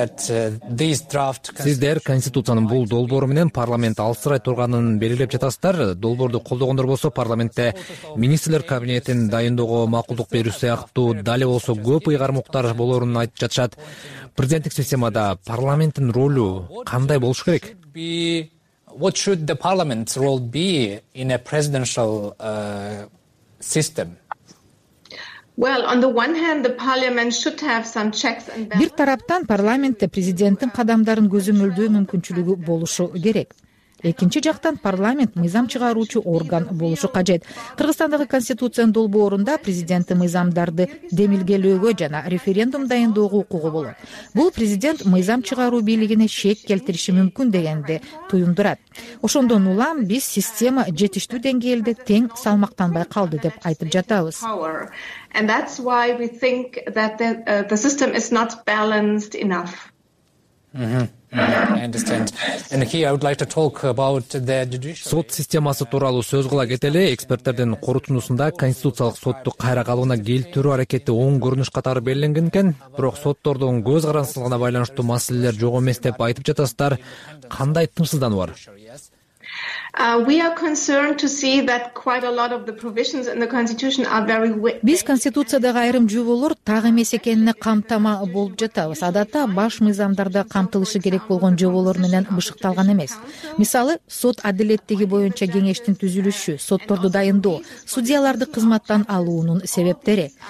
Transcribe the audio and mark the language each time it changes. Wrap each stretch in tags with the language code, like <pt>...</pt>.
<ky>Сиздер конституциянын бул долбоору менен парламент алсырай турганын белгилеп жатасыздар. Долбоорду колдогондор болсо, парламентте министрлер кабинетин дайындоого макулдук берүү сыяктуу дале болсо көп ыйгарым укуктар болорун айтып жатышат. Президенттик системада парламенттин ролу кандай болуш керек?</ky> <en>What should the parliament's role be in a presidential system? Well, on the one hand, the parliament should have some checks and balances.</en> <ky>Бир тараптан парламентте президенттин кадамдарын көзөмөлдөө мүмкүнчүлүгү болушу керек. Экинчи жактан парламент мыйзам чыгаруучу орган болушу кажет. Кыргызстандагы конституциянын долбоорунда президенттин мыйзамдарды демилгелөөгө жана референдум дайындоого укугу болот. Бул президент мыйзам чыгаруу бийлигине шек келтириши мүмкүн дегенди туюндурат. Ошондон улам биз система жетиштүү деңгээлде тең салмактанбай калды деп айтып жатабыз.</ky> <en>And that's why we think that the system is not balanced enough. I understand. And here I would like to talk about the judiciary.</en> <ky>Сот системасы тууралуу сөз кыла кетели, эксперттердин корутундусунда конституциялык сотту кайра калыбына келтирүү аракети оң көрүнүш катары белгиленген экен, бирок соттордун көз карансыздыгына байланыштуу маселелер жок эмес деп айтып жатасыздар. Кандай тынчсыздануу бар?</ky> <en>We are concerned to see that quite a lot of the provisions in the constitution are very weak.</en> <ky>Биз конституцияда айрым жоболор так эмес экенине камтама болуп жатабыз. Адатта баш мыйзамдарда камтылышы керек болгон жоболор менен бышыкталган эмес. Мисалы, сот адилеттиги боюнча кеңештин түзүлүшү, сотторду дайындоо, судьяларды кызматтан алуунун себептери.</ky>